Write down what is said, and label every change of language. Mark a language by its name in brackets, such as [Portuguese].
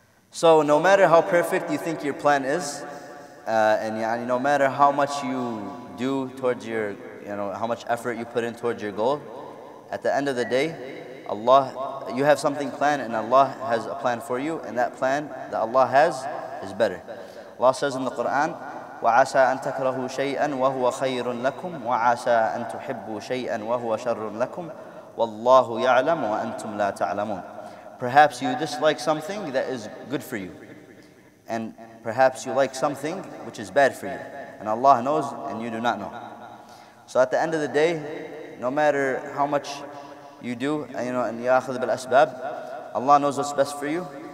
[English] So no matter how perfect you think your plan is, and yani, no matter how much you do towards your, you know, how much effort you put in towards your goal, at the end of the day, Allah, you have something planned, and Allah has a plan for you, and that plan that Allah has is better. Allah says in the Quran, [Arabic] وَعَسَىٰ أَن تَكْرَهُوا شَيْئًا وَهُوَ خَيْرٌ لَكُمْ وَعَسَىٰ أَن تُحِبُّوا شَيْئًا وَهُوَ شَرٌ لَكُمْ وَاللَّهُ يَعْلَمُ وَأَنْتُمْ لَا تَعْلَمُونَ. [English] Perhaps you dislike something that is good for you, and perhaps you like something which is bad for you, and Allah knows and you do not know. So at the end of the day, no matter how much you do, you know, and ya akhidh bil asbab, Allah knows what's best for you.